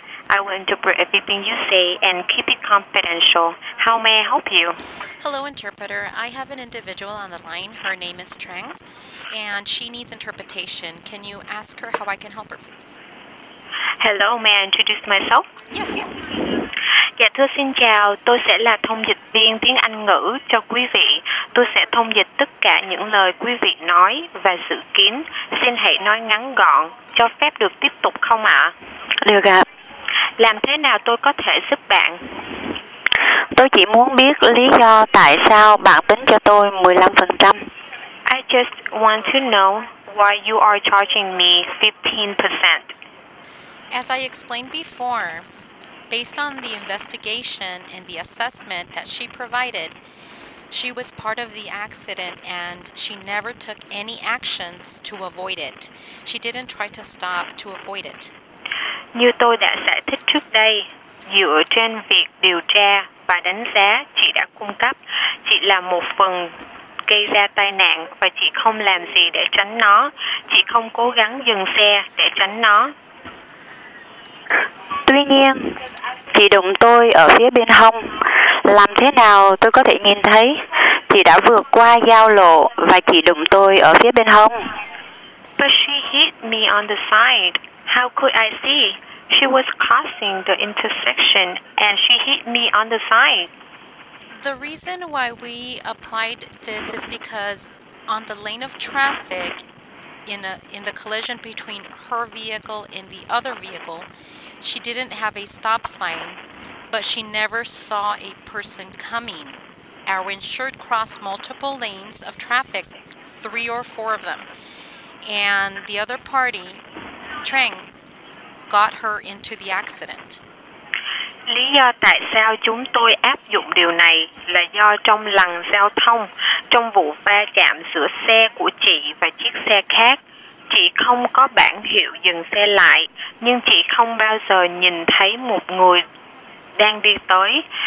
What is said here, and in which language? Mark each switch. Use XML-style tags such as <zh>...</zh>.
<en>I will interpret everything you say and keep it confidential. How may I help you? Hello, interpreter. I have an individual on the line. Her name is Trang, and she needs interpretation. Can you ask her how I can help her, please? Hello, may I introduce myself? Yes.</en> <vi>Dạ thưa xin chào, tôi sẽ là thông dịch viên tiếng Anh ngữ cho quý vị. Tôi sẽ thông dịch tất cả những lời quý vị nói và dự kiến. Xin hãy nói ngắn gọn, cho phép được tiếp tục không ạ? Được ạ. Làm thế nào tôi có thể giúp bạn? Tôi chỉ muốn biết lý do tại sao bạn tính cho tôi 15%.</vi> <en>I just want to know why you are charging me 15%. As I explained before, based on the investigation and the assessment that she provided, she was part of the accident and she never took any actions to avoid it. She didn't try to stop to avoid it.</en> <vi>Như tôi đã giải thích trước đây, dựa trên việc điều tra và đánh giá chị đã cung cấp, chị là một phần gây ra tai nạn và chị không làm gì để tránh nó. Chị không cố gắng dừng xe để tránh nó. Tuy nhiên, chị đụng tôi ở phía bên hông. Làm thế nào tôi có thể nhìn thấy chị đã vượt qua giao lộ và chị đụng tôi ở phía bên hông?</vi> <en>But she hit me on the side. How could I see? She was crossing the intersection and she hit me on the side. The reason why we applied this is because on the lane of traffic in the collision between her vehicle and the other vehicle, she didn't have a stop sign, but she never saw a person coming. Our insured crossed multiple lanes of traffic, 3 or 4 of them. And the other party, Trang, got her into the accident.</en> <vi>Lý do tại sao chúng tôi áp dụng điều này là do trong lần giao thông, trong vụ va chạm giữa xe của chị và chiếc xe khác, chị không có bảng hiệu dừng xe lại, nhưng chị không bao giờ nhìn thấy một người đang đi tới.</vi>